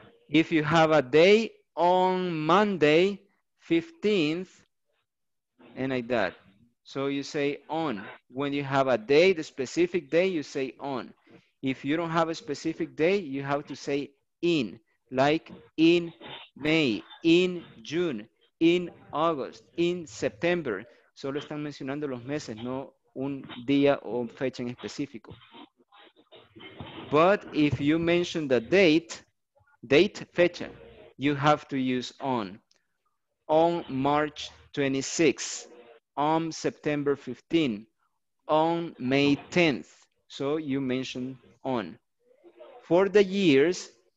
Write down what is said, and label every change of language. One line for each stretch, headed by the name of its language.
English: If you have a day, on Monday 15th, and like that. So you say on. When you have a day, the specific day, you say on. If you don't have a specific day, you have to say in, like in May, in June, in August, in September.
Spanish: Solo están mencionando los meses, no un día o fecha en específico.
English: But if you mention the date, fecha, you have to use on March 26th, on September 15th, on May 10th. So you mention on. For the years,